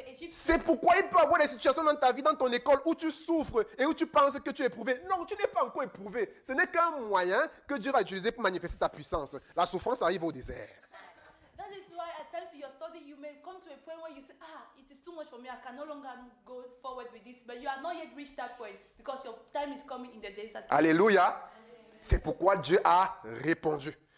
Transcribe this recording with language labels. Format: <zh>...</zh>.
<fr>C'est pourquoi il peut avoir des situations dans ta vie, dans ton école, où tu souffres et où tu penses que tu es éprouvé. Non, tu n'es pas encore éprouvé. Ce n'est qu'un moyen que Dieu va utiliser pour manifester ta puissance. La souffrance arrive au désert.</fr> <en>That is why at times in your study you may come to a point where you say, ah, it is too much for me, I can no longer go forward with this. But you are not yet reached that point because your time is coming in the desert. Alléluia.</en> <fr>C'est pourquoi Dieu a répondu.</fr>